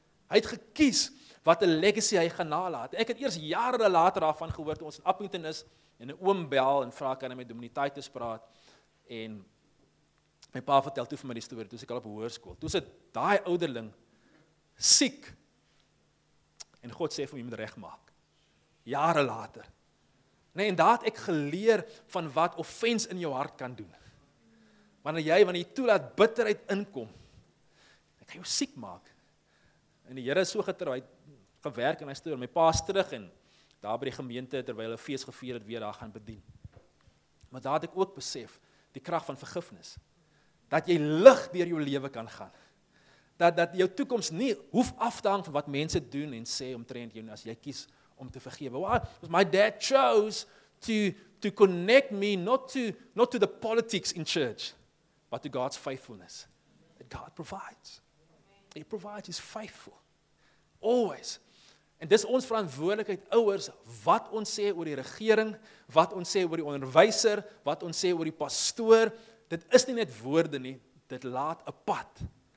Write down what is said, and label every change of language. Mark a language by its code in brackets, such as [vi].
[af] Hy het gekies wat 'n legacy hy gaan nalaat. Ek het eers jare later daarvan gehoor toe ons in Appington is en 'n oom bel en vra kan hy met Dominitatis praat en my pa vertel toe vir my die storie toe ek al op hoërskool. Toe sit daai ouderling siek en God sê vir hom jy moet regmaak. Jare later. Nee, en daar het ek geleer van wat offense in jou hart kan doen. Wanneer jy toelaat bitterheid inkom, dan kan jou siek maak. En die Here is so getrou, hy het gewerk in my storie. My pa is terug en daar by die gemeente terwyl hulle fees gevier het weer daar gaan bedien. Maar daar het ek ook besef die krag van vergifnis. Dat jy lig deur jou lewe kan gaan. Dat jou toekoms nie hoef af te hang van wat mense doen en sê omtrent jou as jy kies om te vergewe. [en] Well, my dad chose to connect me not to the politics in church, but to God's faithfulness. That God provides. He provides, He's faithful. Always. [af] En dis ons verantwoordelikheid, ouers, wat ons sê oor die regering, wat ons sê oor die onderwyser, wat ons sê oor die pastoor, dit is nie net woorde nie, dit laat 'n pad.